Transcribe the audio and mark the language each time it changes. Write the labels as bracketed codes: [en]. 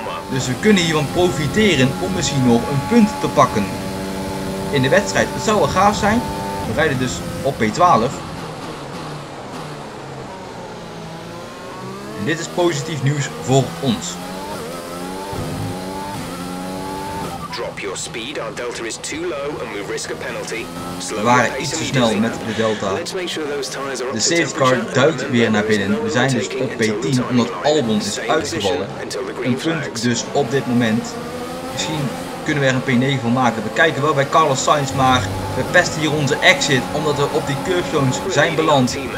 [nl] Dus we kunnen hiervan profiteren om misschien nog een punt te pakken in de wedstrijd. Het zou wel gaaf zijn. We rijden dus op P12. En dit is positief nieuws voor ons. [en] Drop your speed. Our delta is too low and we risk a penalty. [nl] We waren iets te snel met de delta. De safety car duikt weer naar binnen. We zijn dus op P10 omdat Albon is uitgevallen. Een punt dus op dit moment. Misschien kunnen we er een P9 van maken. We kijken wel bij Carlos Sainz, maar we pesten hier onze exit omdat we op die curbstones zijn beland.